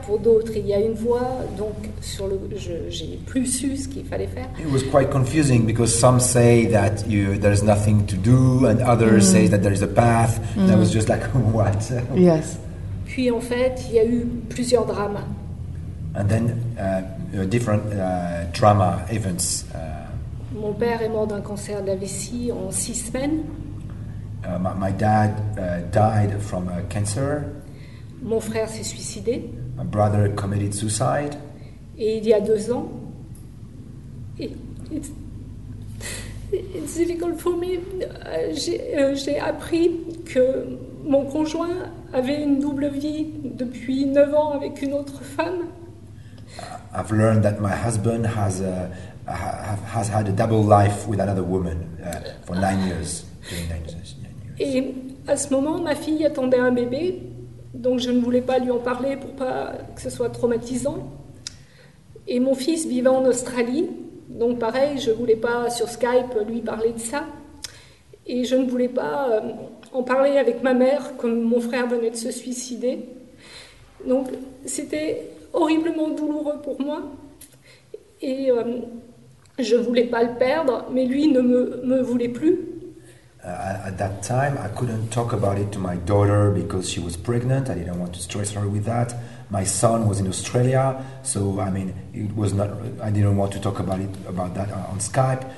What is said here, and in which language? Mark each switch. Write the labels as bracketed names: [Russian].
[French] Pour d'autres, il y a une voie. Donc, j'ai plus su ce qu'il fallait faire. [English] It was quite confusing because some say that there is nothing to do and others say that there is a path. Mm. And I was just like, what? Yes. [French] Puis, en fait, il y a eu plusieurs dramas. [English] And then, different drama events. [French] Mon père est mort d'un cancer de la vessie en 6 semaines. [English] My dad died from a cancer. [French] Mon frère s'est suicidé. [English] My brother committed suicide. [French] Et il y a 2 ans. [English] It's difficult for me. [French] J'ai appris que mon conjoint avait une double vie depuis 9 ans avec une autre femme. [English] I've learned that my husband has had a double life with another woman for 9 years. [French] Et à ce moment, ma fille attendait un bébé, donc je ne voulais pas lui en parler pour pas que ce soit traumatisant. Et mon fils vivait en Australie, donc pareil, je ne voulais pas sur Skype lui parler de ça. Et je ne voulais pas en parler avec ma mère, comme mon frère venait de se suicider. Donc c'était horriblement douloureux pour moi. Et je ne voulais pas le perdre, mais lui ne me voulait plus. [English] At that time, I couldn't talk about it to my daughter because she was pregnant. I didn't want to stress her with that. My son was in Australia, so I mean, I didn't want to talk about that on Skype.